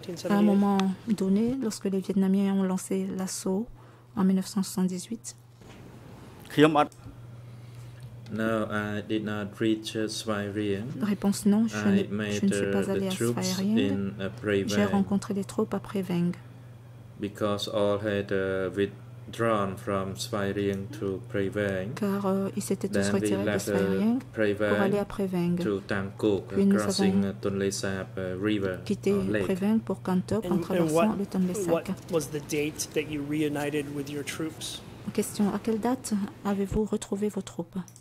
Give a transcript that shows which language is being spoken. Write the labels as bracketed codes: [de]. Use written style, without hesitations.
[fr] à un moment donné, lorsque les Vietnamiens ont lancé l'assaut en 1978, réponse non, je ne suis pas allé à Sphere IENG. J'ai rencontré les troupes à Preveng. [en] Because all had drawn from Sphere IENG to Preveng. [fr] Car ils s'étaient tous retirés de Sphere IENG pour aller à Preveng. [en] To Tangkuk, crossing Tonle Sap River. [fr] Quitter Preveng pour Kantok en traversant le Tonle Sap. [en] What was the date that you reunited with your troops? [fr] Question: à quelle date avez-vous retrouvé vos troupes?